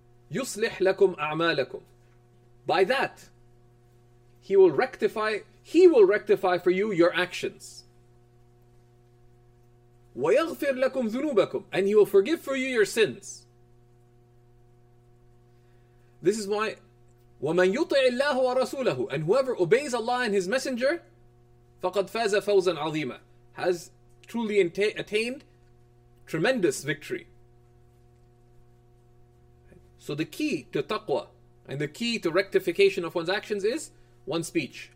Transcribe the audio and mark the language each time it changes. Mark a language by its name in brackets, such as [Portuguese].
[Arabic] يصلح لكم أعمالكم. [English] By that, he will rectify for you your actions. [Arabic] وَيَغْفِرْ لَكُمْ ذُنُوبَكُمْ. [English] And he will forgive for you your sins. This is why, [Arabic] وَمَنْ يُطِعِ اللَّهُ وَرَسُولَهُ. [English] And whoever obeys Allah and His Messenger, [Arabic] فَقَدْ فَازَ فَوْزًا عَظِيمًا. [English] Has truly attained tremendous victory. So the key to taqwa and the key to rectification of one's actions is one's speech.